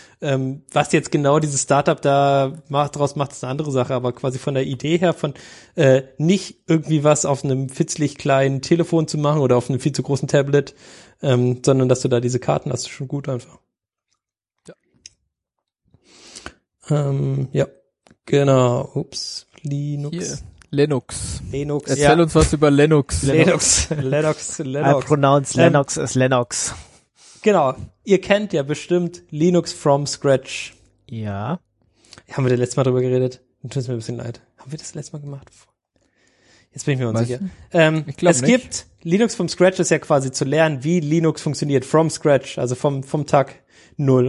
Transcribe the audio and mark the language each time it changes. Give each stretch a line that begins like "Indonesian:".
German: Was jetzt genau dieses Startup da macht, daraus macht, ist eine andere Sache, aber quasi von der Idee her, von nicht irgendwie was auf einem fitzlig kleinen Telefon zu machen oder auf einem viel zu großen Tablet, sondern dass du da diese Karten hast, ist schon gut einfach. Ja, genau, ups, Linux. Erzähl uns was über Linux. Linux.
English: I pronounce Linux as Lennox.
German: Genau, ihr kennt ja bestimmt Linux from Scratch. Ja. Haben wir das letzte Mal drüber geredet? Dann tut es mir ein bisschen leid. Haben wir das letzte Mal gemacht? Jetzt bin ich mir unsicher. Ich glaube nicht. Es gibt Linux from Scratch ist ja quasi zu lernen, wie Linux funktioniert, from Scratch, also vom Tag Null.